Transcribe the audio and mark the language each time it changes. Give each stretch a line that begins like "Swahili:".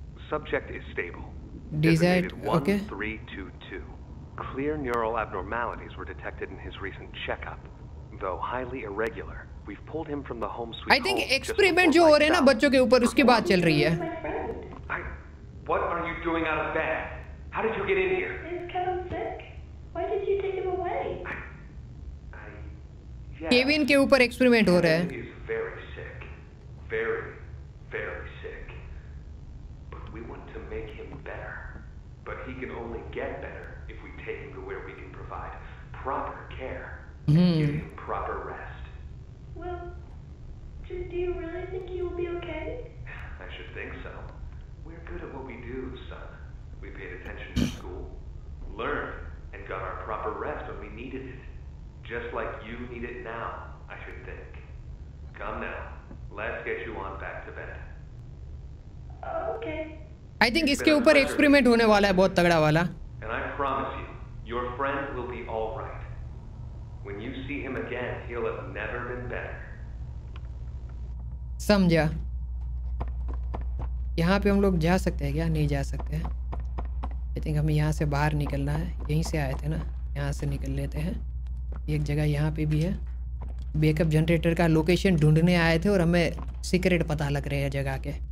English: Subject is stable. Decided okay. 1322. Clear neural abnormalities were detected in his recent checkup, though highly irregular. We pulled him from the home sweet. I think
Hindi: experiment जो हो रहे हैं ना बच्चों के ऊपर, उसकी बात चल रही है.
English: What are you doing out of bed? How did you get in here? Is Kevin sick? Why did you take him away?
Hindi: Kevin के ऊपर एक्सपेरिमेंट हो रहा है.
English: He's very sick. Very, very sick. But we want to make him better. But he can only get better if we take him to where we can provide proper care and give him proper rest. Well, do you really think he will be okay? I should think so. We're good at what we do, son. We paid attention to school, learned, and got our proper rest when we needed it. Just like you need it now, I should think. Come now, let's get you on back to bed. Okay. I think
Hindi: इसके ऊपर experiment होने वाला है बहुत तगड़ा वाला.
English: And I promise you, your friend will be all right. When you see him again, he'll have never been better.
Hindi: समझा. यहाँ पे हम लोग जा सकते हैं क्या? नहीं जा सकते हैं.
English: I think
Hindi: हमें यहाँ से बाहर निकलना है. यहीं से आए थे ना, यहाँ से निकल लेते हैं. एक जगह यहाँ पे भी है. बैकअप जनरेटर का लोकेशन ढूंढने आए थे और हमें सीक्रेट पता लग रहे हैं जगह के.